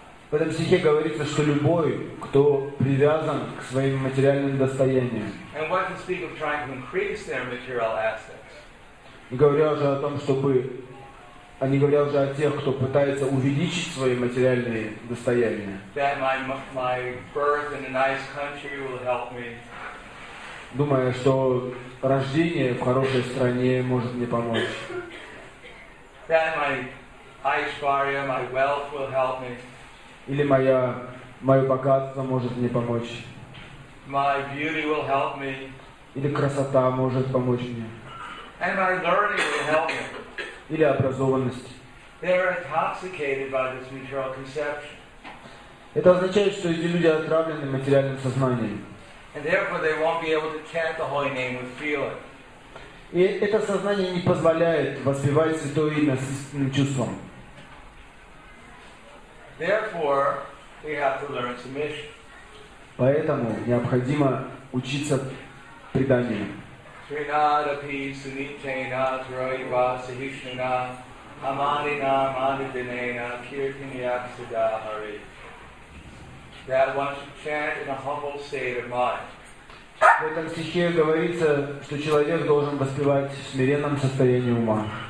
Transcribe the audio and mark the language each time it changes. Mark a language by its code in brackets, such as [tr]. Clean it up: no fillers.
[ru] В этом стихе говорится, что любой, кто привязан к своим материальным достояниям. [en] And what to speak of trying to increase their material assets. [ru] Говоря уже о том, чтобы они говорят уже о тех, кто пытается увеличить свои материальные достояния. [en] That my birth in a nice country will help me. [ru] Думая, что рождение в хорошей стране может мне помочь. [en] That my Aishwarya, my wealth will help me. [ru] Или мое богатство может мне помочь. [en] My beauty will help me. [ru] Или красота может помочь мне. [en] And my learning will help me. [ru] Или образованность. [en] They are intoxicated by this material conception. [ru] Это означает, что эти люди отравлены материальным сознанием. [en] And therefore they won't be able to chant the holy name with feeling. [ru] И это сознание не позволяет воспевать Святое Имя с истинным чувством. [en] Therefore, we have to learn submission. [ru] Поэтому необходимо учиться преданию. [sa] Sri-nāda pi sunitena tarayiva sahishnana amanina amanidinena kirtiniyaksada hari. [en] That one should chant in a humble state of mind. [ru] В этом стихе говорится, что человек должен воспевать в смиренном состоянии ума.